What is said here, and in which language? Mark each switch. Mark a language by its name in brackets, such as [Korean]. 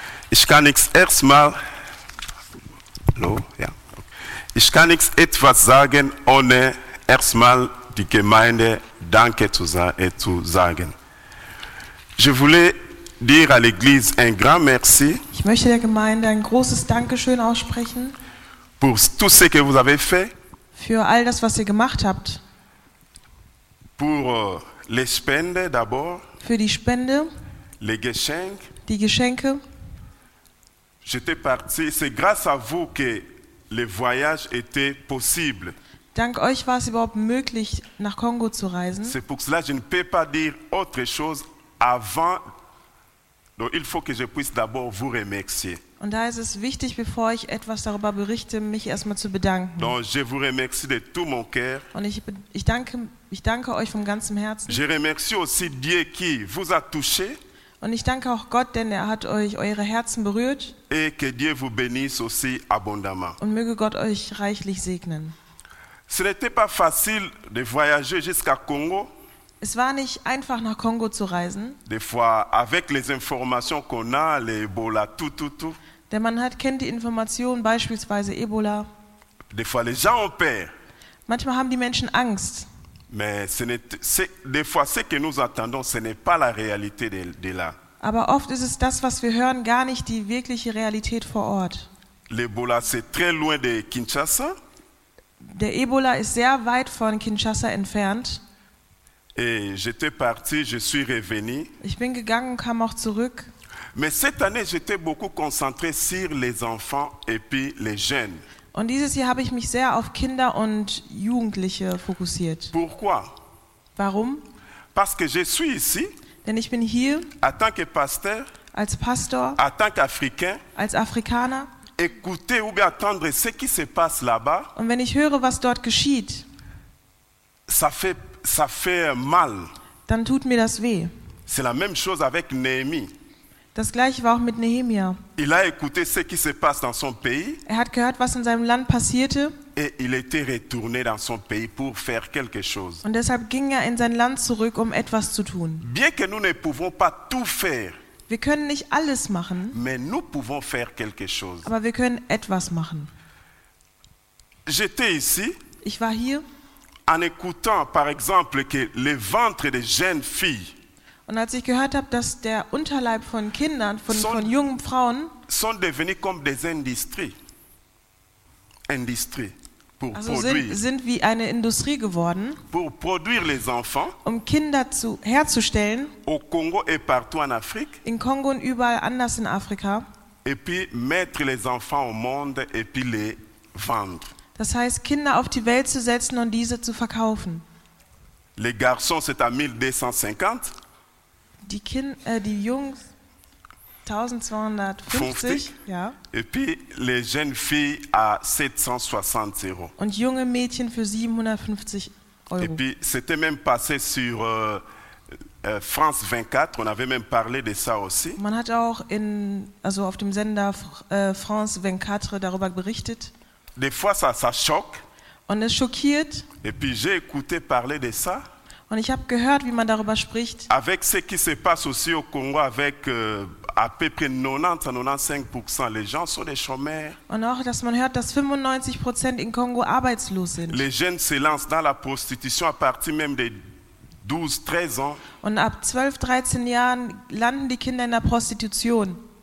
[German] Ich kann nichts erstmal. Hallo, ja. Ich kann nichts etwas sagen, ohne erstmal die Gemeinde Danke zu sagen. [French] Je voulais dire à l'Église un grand merci. [German] Ich möchte der Gemeinde ein großes Dankeschön aussprechen. [French] Pour tout ce que vous avez fait. [German] Für all das, was ihr gemacht habt. [French] Pour les spendes d'abord. [German] Für die Spende. Les Geschenke. Die Geschenke. [French] J'étais parti. C'est grâce à vous que le voyage était possible. [German] Dank euch war es überhaupt möglich, nach Kongo zu reisen. [French] C'est pour cela que je ne peux pas dire autre chose avant. Donc il faut que je puisse d'abord vous remercier. [German] Und da ist es wichtig, bevor ich etwas darüber berichte, mich erstmal zu bedanken. [French] Donc je vous remercie de tout mon cœur. [German] Und ich danke euch von ganzem Herzen. [French] Je remercie aussi Dieu qui vous a touché. [German] Und ich danke auch Gott, denn er hat euch eure Herzen berührt. [French] Et que Dieu vous bénisse aussi abondamment. [German] Und möge Gott euch reichlich segnen. [French] Ce n'était pas facile de voyager jusqu'à Congo. [German] Es war nicht einfach, nach Kongo zu reisen. [French] Des fois, avec les informations qu'on a, les Ebola, tout. [German] Denn man kennt die Informationen, beispielsweise Ebola. [French] Des fois, les gens ont peur. [German] Manchmal haben die Menschen Angst. [French] Mais des fois, ce que nous entendons, ce n'est pas la réalité de là. [German] Aber oft ist es das, was wir hören, gar nicht die wirkliche Realität vor Ort. [French] L'Ebola, c'est très loin de Kinshasa. [German] Der Ebola ist sehr weit von Kinshasa entfernt. [French] Et j'étais parti, je suis revenu. [German] Ich bin gegangen und kam auch zurück. [French] Mais cette année, j'étais beaucoup concentré sur les enfants et puis les jeunes. [German] Und dieses Jahr habe ich mich sehr auf Kinder und Jugendliche fokussiert. [French] Pourquoi? [German] Warum? [French] Parce que je suis ici. [German] Denn ich bin hier. [French] En tant que pasteur. [German] Als Pastor. [French] En tant qu'Africain. [German] Als Afrikaner. [French] Écouter ou bien entendre ce qui se passe là-bas. [German] Und wenn ich höre, was dort geschieht, [French] ça fait mal. [German] Dann tut mir das weh. [French] C'est la même chose avec Néhémie. [German] Das gleiche war auch mit Nehemia. [French] Il a écouté ce qui se passe dans son pays. [German] Er hat gehört, was in seinem Land passierte. [French] Et il était retourné dans son pays pour faire quelque chose. [German] Und deshalb ging er in sein Land zurück, um etwas zu tun. [French] Bien que nous ne pouvons pas tout faire. [German] Wir können nicht alles machen. [French] Mais nous pouvons faire quelque chose. [German] Aber wir können etwas machen. [French] J'étais ici. [German] Ich war hier. [French] En écoutant, par exemple, que les ventres des jeunes filles. [German] Und als ich gehört habe, dass der Unterleib von Kindern, von jungen Frauen, [French] sont devenus comme des industries. [German] Industrie. [French] Pour also produire. [German] Sind wie eine Industrie geworden, [French] pour produire les enfants, [German] um Kinder herzustellen, [French] au Congo et partout en Afrique, [German] in Kongo und überall anders in Afrika, [French] et puis mettre les enfants au monde et puis les vendre. [German] Das heißt, Kinder auf die Welt zu setzen und diese zu verkaufen. [French] Les garçons, c'est à 1250. [German] Die Jungs 1250, 50. Ja. [French] Et puis les jeunes filles à 760 euros. [German] Und junge Mädchen für 750 Euro. [French] Et puis c'était même passé sur France 24, on avait même parlé de ça aussi. [German] Man hat auch auf dem Sender France 24 darüber berichtet. [French] Des fois ça choque. [German] Und es schockiert. [French] Et puis j'ai écouté parler de ça. [German] Und ich habe gehört, wie man darüber spricht. [French] Avec ce qui se passe aussi au Congo avec à peu près 90-95% les gens sont des chômeurs. [German] Und auch, dass man hört, dass 95% in Kongo arbeitslos sind. [French] Les jeunes se lancent dans la prostitution à partir même des 12-13 ans. [German] Und ab 12-13 Jahren landen die Kinder in der Prostitution.